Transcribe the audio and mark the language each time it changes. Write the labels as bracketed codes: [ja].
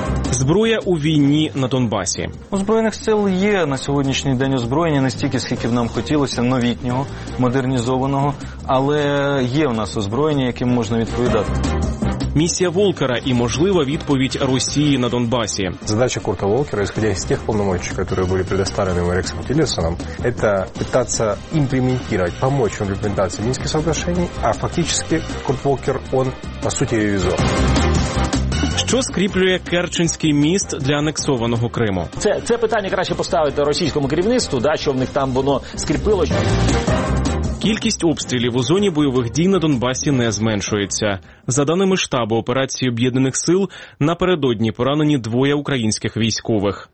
[uk] Зброя у війні на Донбасі. У Збройних сил є на сьогоднішній день озброєння не стільки, скільки б нам хотілося, новітнього, модернізованого, але є в нас озброєння, яким можна відповідати. Місія Волкера і можлива відповідь Росії на Донбасі. [ru] Задача Курта Волкера, исходя из тех полномочий, которые были предоставлены Рексом Тиллерсоном, это пытаться имплементировать, помочь в имплементации Минских соглашений, а фактически Курт Волкер, он по сути ревизор. [uk] Що скріплює Керченський міст для анексованого Криму? Це питання краще поставити російському керівництву, да, що в них там воно скріпило. Кількість обстрілів у зоні бойових дій на Донбасі не зменшується. За даними штабу операції Об'єднаних сил, напередодні поранені двоє українських військових.